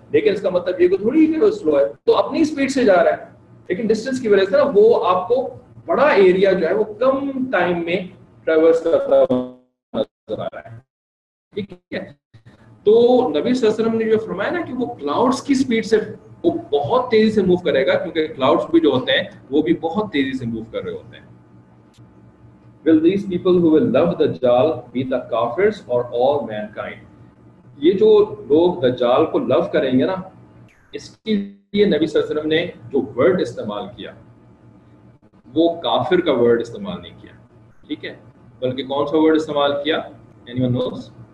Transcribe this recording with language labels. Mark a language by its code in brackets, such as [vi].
[ur] لیکن اس کا مطلب یہ کہ تھوڑی کہ وہ سلو ہے, تو اپنی سپیڈ سے جا رہا ہے, لیکن ڈسٹینس کی وجہ سے نا وہ آپ کو بڑا ایریا جو ہے وہ کم ٹائم میں ٹریورس کرتا نظر آ رہا ہے, ٹھیک ہے. تو نبی صلی اللہ علیہ وسلم نے جو فرمایا نا کہ وہ کلاؤڈس کی سپیڈ سے وہ بہت تیزی سے موو کرے گا, کیونکہ کلاؤڈس بھی جو ہوتے ہیں وہ بھی بہت تیزی سے موو کر رہے ہوتے ہیں. [en] Will these people who will love the Dajjal be the kafirs or all mankind? [ur] یہ جو لوگ دجال کو لو کریں گے نا, اس کے لیے نبی صلی اللہ علیہ وسلم نے جو ورڈ استعمال کیا وہ کافر کا ورڈ استعمال نہیں کیا, ٹھیک ہے, بلکہ کون سا ورڈ استعمال کیا, [en] anyone knows?